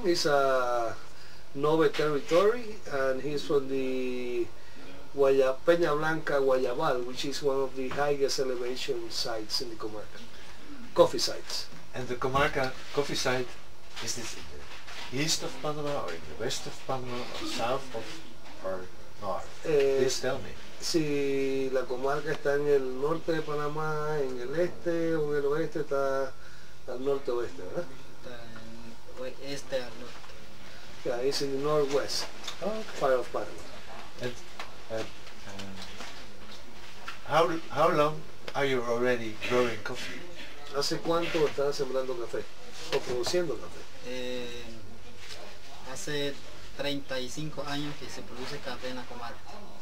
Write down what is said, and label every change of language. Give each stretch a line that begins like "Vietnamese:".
English: He's a Nové territory, and he's from the Peña Blanca Guayabal, which is one of the highest elevation sites in the Comarca, coffee sites. And the Comarca coffee site, is this in the east of Panama, or in the west of Panama, or south of, or north? Please tell me.
Spanish: Si la Comarca está en el norte de Panamá, en el este, o en el oeste, está... al norte oeste, ¿verdad? Este al norte.
English: Yeah, it's in the northwest, far of Panama. And how long are you already growing coffee?
Spanish: ¿Hace cuánto estás sembrando café o produciendo café? Hace 35 años que se produce café en la comarca.